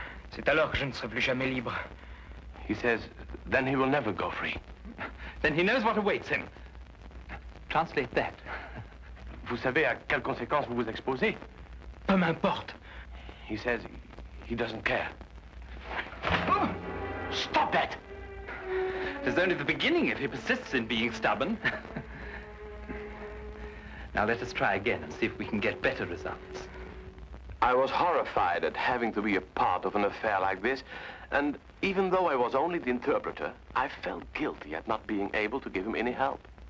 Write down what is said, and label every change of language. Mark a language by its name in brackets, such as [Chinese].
[French] C'est alors que je ne serai plus jamais libre. [English] He says, then he will never go free. Then he knows what awaits him. Translate that. [French] Vous savez à quelles conséquences vous vous exposez. Peu m'importe. [English] He says, he doesn't care. Oh! Stop that! It is only the beginning if he persists in being stubborn. Now let us try again and see if we can get better results. I was horrified at having to be a part of an affair like this, and even though I was only the interpreter, I felt guilty at not being able to give him any help.